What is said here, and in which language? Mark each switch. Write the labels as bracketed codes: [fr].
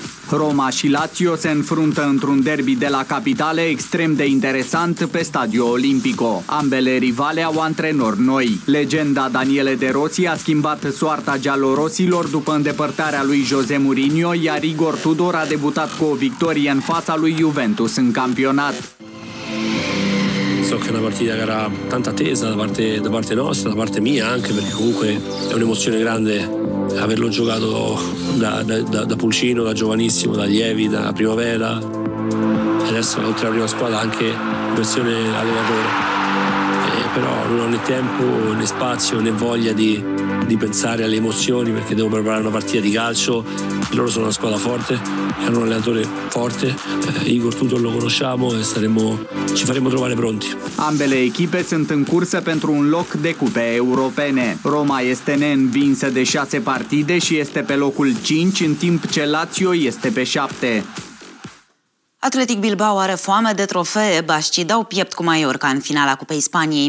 [ro] Roma și Lazio se înfruntă într-un derby de la capitale extrem de interesant pe Stadio Olimpico. Ambele rivale au antrenori noi. Legenda Daniele De Rossi a schimbat soarta gialorosilor după îndepărtarea lui Jose Mourinho, iar Igor Tudor a debutat cu o victorie în fața lui Juventus în campionat. [it] So che è una partita che era tanto attesa da parte nostra, da parte mia anche, perché comunque è un'emozione grande averlo giocato da pulcino, da giovanissimo, da lievi, da primavera, e adesso oltre alla prima squadra anche in versione allenatore. Però non ho né tempo, né spazio, né voglia di pensare alle emozioni, perché devo preparare una partita di calcio. Loro sono una squadra forte, hanno un allenatore forte, Igor Tudor lo conosciamo e ci faremo trovare pronti. [ro] Ambele echipe sunt în cursă pentru un loc de cupe europene. Roma este neînvinsă de 6 partide și este pe locul 5, în timp ce Lazio este pe 7. Athletic Bilbao are foame de trofee, bașcii dau piept cu Mallorca în finala Cupei Spaniei.